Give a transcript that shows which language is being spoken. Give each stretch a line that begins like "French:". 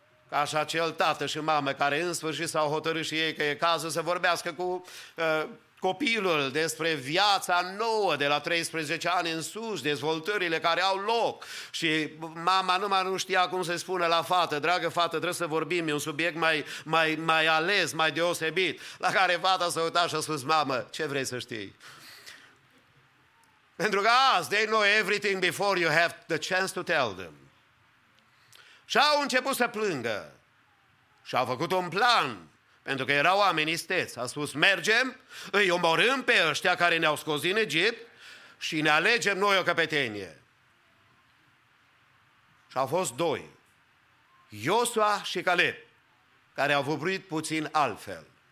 Romanian: Ca și acel tată și mamă care în sfârșit s-au hotărât și ei că e cazul să vorbească cu copilul despre viața nouă de la 13 ani în sus, dezvoltările care au loc. Și mama numai nu știa cum să-i spună la fată: dragă fată, trebuie să vorbim, e un subiect mai ales, mai deosebit. La care fata s-a uitat și a spus: mamă, ce vrei să știi? Pentru că azi,
English: they know everything before you have the chance to tell them.
Romanian: Și au început să plângă și au făcut un plan, pentru că erau oameni isteți. A spus: mergem, îi omorâm pe ăștia care ne-au scos din Egipt și ne alegem noi o căpetenie. Și au fost doi, Iosua și Caleb, care au vorbit puțin altfel.